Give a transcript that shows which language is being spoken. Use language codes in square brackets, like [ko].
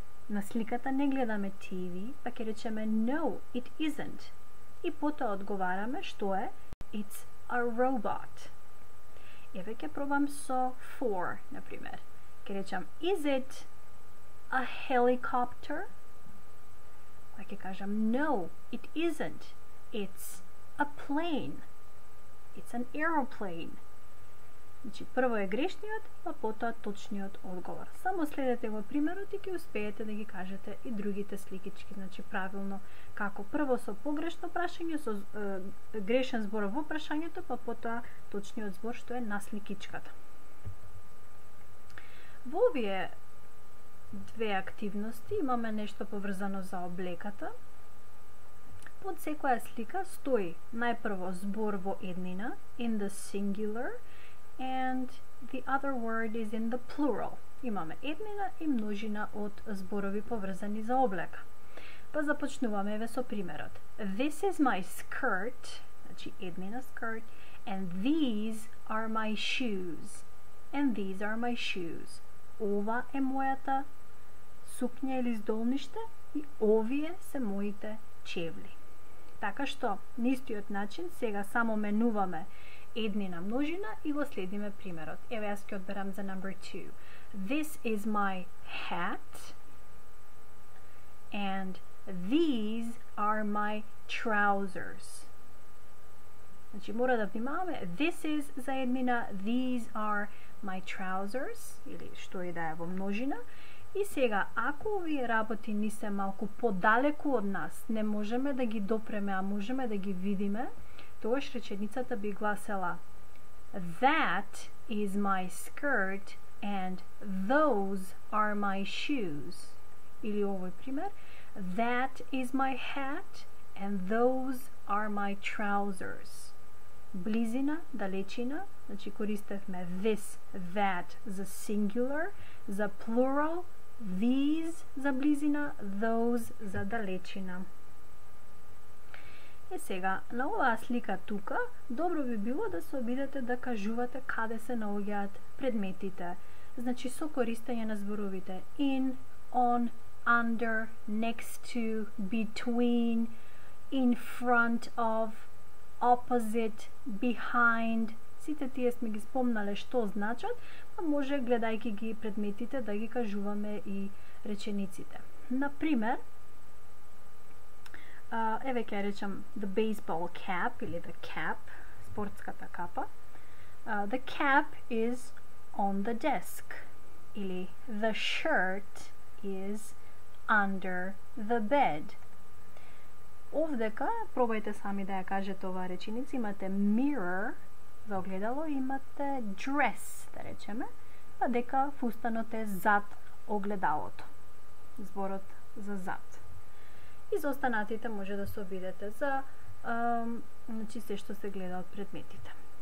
[mk] На сликата не гледаме TV, па ќе речеме [en] no, it isn't. [mk] И потоа одговараме што е, [en] it's a robot. [mk] Еве ќе пробам со 4, например. Ќе речам, [en] is it a helicopter? [mk] Па ќе кажам, [en] no, it isn't. It's a plane. It's an aeroplane. [mk] Значи, прво е грешниот, па потоа точниот одговор. Само следете во примерот и ќе успеете да ги кажете и другите сликички. Значи, правилно, како прво со погрешно прашање, со грешен збор во прашањето, па потоа точниот збор што е на сликичката. Во овие две активности имаме нешто поврзано за облеката. Под секоја слика стои најпрво збор во еднина, [en] in the singular, and the other word is in the plural. [mk] Имаме еднина и множина од зборови поврзани за облека. Па започнуваме еве со примерот. [en] This is my skirt, [mk] значи еднина [en] skirt, and these are my shoes. And these are my shoes. [mk] Ова е мојата сукња или здолниште, и овие се моите чевли. Така што, на истиот начин, сега само менуваме еднина множина и го следиме примерот. Еве, јас ќе одберам за number 2. [en] This is my hat. And these are my trousers. [mk] Значи, мора да внимаваме. [en] This is [mk] за еднина, [en] these are my trousers. [mk] Или што и да е во множина. И сега, ако овие работи ни се малку подалеку од нас, не можеме да ги допреме, а можеме да ги видиме, тогаш реченицата би гласела [en] That is my skirt and those are my shoes. [mk] Или овој пример, [en] That is my hat and those are my trousers. [mk] Близина, далечина, значи користевме this, that за singular, за plural, these за близина, those за далечина. Е, сега, на оваа слика тука, добро би било да се обидете да кажувате каде се наоѓаат предметите. Значи, со користење на зборовите in, on, under, next to, between, in front of, opposite, behind. Сите тие сме ги спомнале што значат, па може, гледајќи ги предметите, да ги кажуваме и речениците. Например, еве ќе речам the baseball cap, или the cap, спортската капа. [en] The cap is on the desk. Или the shirt is under the bed. [mk] Овдека, пробајте сами да ја кажете оваа реченица, имате mirror за огледало, имате dress, да речеме, па дека фустанот е зад огледалото. Зборот за зад. И за останатите може да се обидете за значи се што се гледа од предметите.